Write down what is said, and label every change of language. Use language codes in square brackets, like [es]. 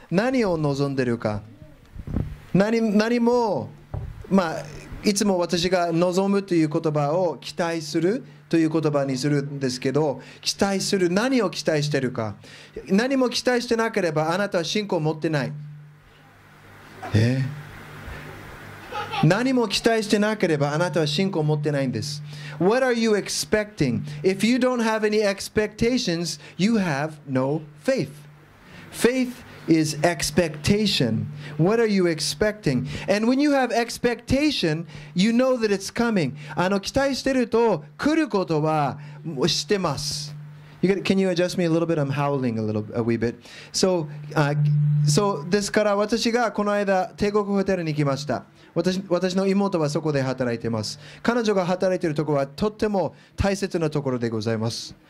[ja] 何を望んでいるか。何も、まあ、いつも私が望むという言葉を期待するという言葉にするんですけど、期待する、何を期待しているか。何も期待してなければあなたは信仰を持ってない。何も期待してなければあなたは信仰を持ってないんです。 [en] What are you expecting? If you don't have any expectations, you have no faith. Faith is expectation. What are you expecting? And when you have expectation, you know that it's coming. [ja] 期待してると来ることは知ってます。 [en] Can you adjust me a little bit? I'm howling a wee bit. [ja] So, ですから私がこの間帝国ホテルに行きました。私の妹はそこで働いています。彼女が働いているところはとっても大切なところでございます。